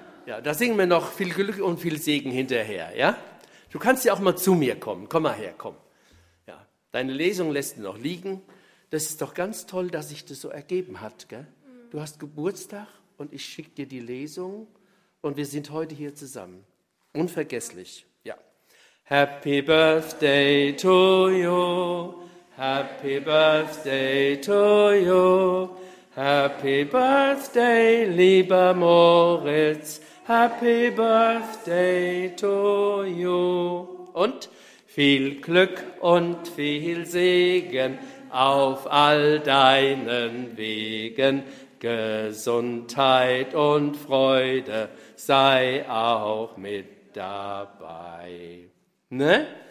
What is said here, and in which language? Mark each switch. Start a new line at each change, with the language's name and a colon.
German: Ja, da singen wir noch viel Glück und viel Segen hinterher. Ja? Du kannst ja auch mal zu mir kommen. Komm mal her, komm. Ja. Deine Lesung lässt du noch liegen. Das ist doch ganz toll, dass sich das so ergeben hat. Gell? Du hast Geburtstag und ich schicke dir die Lesung und wir sind heute hier zusammen. Unvergesslich.
English: Happy Birthday to you, Happy Birthday to you, Happy Birthday,
German: lieber Moritz,
English: Happy Birthday to you.
German: Und viel Glück und viel Segen auf all deinen Wegen, Gesundheit und Freude sei auch mit dabei. Ne?